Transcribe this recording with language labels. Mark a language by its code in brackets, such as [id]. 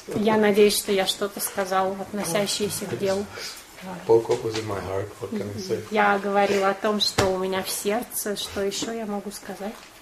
[ru] Я надеюсь, что я что-то сказал, относящееся к делу. [en] Poco was in my heart, what can I say? [ru] Я говорил о том, что у меня в сердце, что еще я могу сказать.